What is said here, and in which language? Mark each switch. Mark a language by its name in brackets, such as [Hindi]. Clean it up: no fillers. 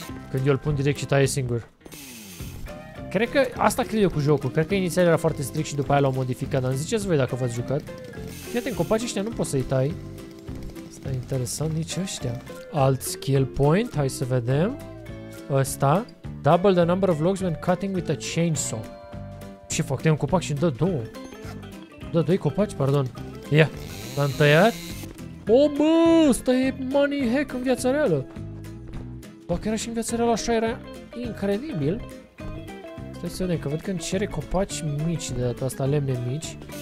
[Romanian] Când eu îl pun direct și taie singur. Cred că asta cred eu cu jocul. Cred că inițial era foarte strict și după aia l-au modificat. Dar îmi ziceți voi dacă v-ați jucat. Iată, în copacii ăștia nu poți să-i tai. Asta e interesant, nici ăștia. Alt skill point, hai să vedem. Ăsta. [English] Double the number of logs when cutting with a chainsaw. [Romanian] Și fac, un copac și îmi dă două. Dă doi copaci, pardon. Ia, l-am tăiat. O, bă, ăsta e money hack în viața reală. Dacă era și în viața reală așa, era incredibil. Stai să vedem, că văd că îmi cere copaci mici de data asta, lemne mici.